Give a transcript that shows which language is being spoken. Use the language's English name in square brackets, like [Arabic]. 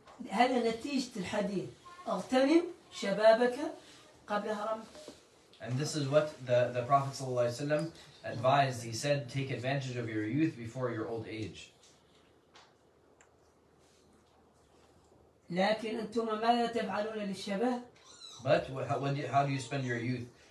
[Arabic] هذا نتيجة الحديث. اغتنم شبابك قبل هرم. [English] And this is what the Prophet [Arabic] صلى الله عليه وسلم [English] advised. He said, take advantage of your youth before your old age. [Arabic] لكن أنتم ماذا تفعلون للشباب؟ [English] But how do you spend your youth?